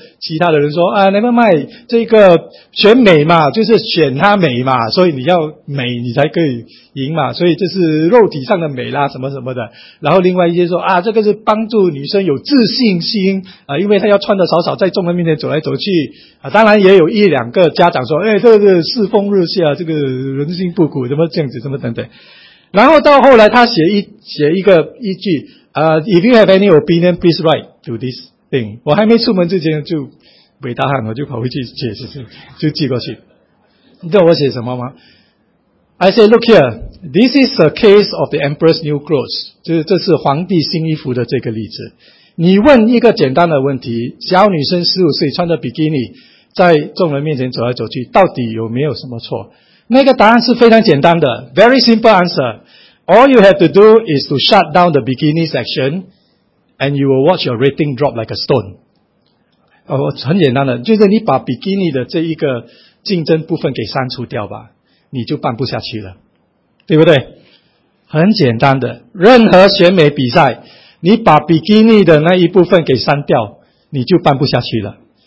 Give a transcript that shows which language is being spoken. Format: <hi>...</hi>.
<zh>其他的人说啊 , never mind, 这个选美嘛就是选她美嘛，所以你要美你才可以赢嘛，所以这是肉体上的美啦什么什么的。然后另外一些说啊这个是帮助女生有自信心啊，因为她要穿得少少在众人面前走来走去啊，当然也有一两个家长说哎这个世风日下这个人心不古怎么这样子怎么等等。</zh> <en>然后到后来她写一句 if you have any opinion, please write to this thing.</en> <zh>我还没出门之前就伟大汉我就跑回去解释就寄过去。你知道我写什么吗？</zh> <en>I say, look here, this is a case of the emperor's new clothes.</en> <zh>就是这是皇帝新衣服的这个例子。你问一个简单的问题，小女生15岁穿着比基尼在众人面前走来走去，到底有没有什么错？那个答案是非常简单的 , very simple answer.</zh> <en>All you have to do is to shut down the bikini section, and you will watch your rating drop like a stone.</en> <zh>很简单的，就是你把比基尼的这一个竞争部分给删除掉吧。你就办不下去了，对不对？很简单的，任何选美比赛，你把比基尼的那一部分给删掉，你就办不下去了。</zh>